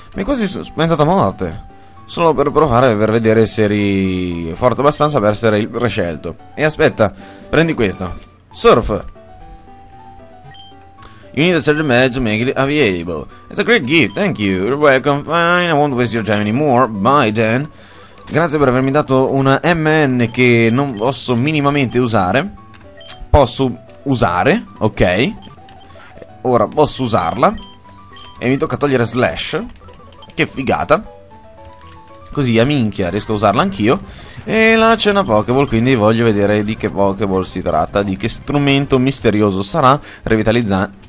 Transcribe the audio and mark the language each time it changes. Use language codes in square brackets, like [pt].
[it] Mi hai quasi spaventato a morte. Solo per provare a vedere se eri forte abbastanza per essere il prescelto. E aspetta, prendi questo. Surf. [en] You need a certain badge to make it available. It's a great gift, thank you. You're welcome, fine, I won't waste your time anymore. Bye, Dan. [it] Grazie per avermi dato una MN che non posso minimamente usare. Posso usare, ok. Ora posso usarla. E mi tocca togliere Slash. Che figata. Così, a minchia, riesco a usarla anch'io. E là c'è una Pokéball, quindi voglio vedere di che Pokéball si tratta, di che strumento misterioso sarà revitalizzante.